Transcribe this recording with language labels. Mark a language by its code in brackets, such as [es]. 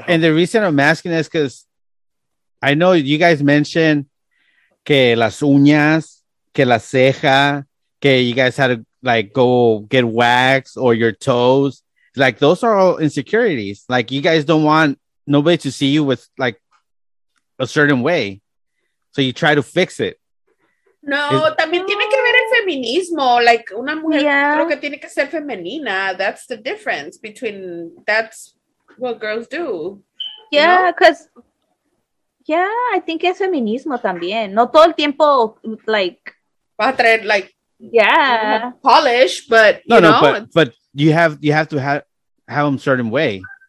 [en] hell. And the reason I'm asking is because I know you guys mentioned [es] que las uñas, que la ceja, que [en] you guys had to like go get wax or your toes. Like, those are all insecurities. Like, you guys don't want nobody to see you with like a certain way. So you try to fix it. [es] No, también tiene que ver el feminismo. Like, una mujer creo que tiene que ser femenina. [en] That's the difference between, that's what girls do. Yeah, because. You know? Yeah, I think it's feminismo también. [es] No todo el tiempo, like. Va a traer, like. [en] Yeah. Polish, but. No, you know? But you have to have them a certain way.